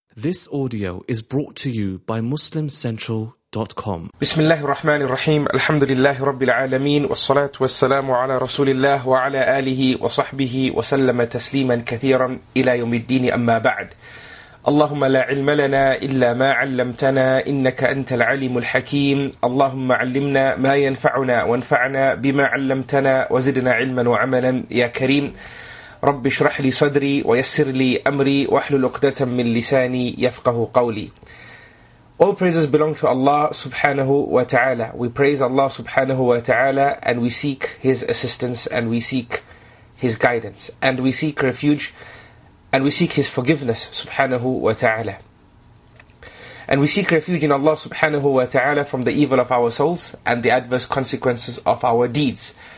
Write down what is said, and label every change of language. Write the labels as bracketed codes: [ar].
[en] This audio is brought to you by MuslimCentral.com. [ar] بسم الله الرحمن الرحيم الحمد لله رب العالمين والصلاة والسلام على رسول الله وعلى آله وصحبه وسلم تسليما كثيرا إلى يوم الدين أما بعد اللهم لا علم لنا إلا ما علمتنا إنك أنت العليم الحكيم اللهم علمنا ما ينفعنا وانفعنا بما علمتنا وزدنا علما وعملا يا كريم رب اشرح لي صدري ويسر لي أمري واحلل عقدة من لساني يفقه قولي. [en] All praises belong to Allah subhanahu wa ta'ala. We praise Allah subhanahu wa ta'ala and we seek His assistance and we seek His guidance and we seek refuge and we seek His forgiveness subhanahu wa ta'ala. And we seek refuge in Allah subhanahu wa ta'ala from the evil of our souls and the adverse consequences of our deeds.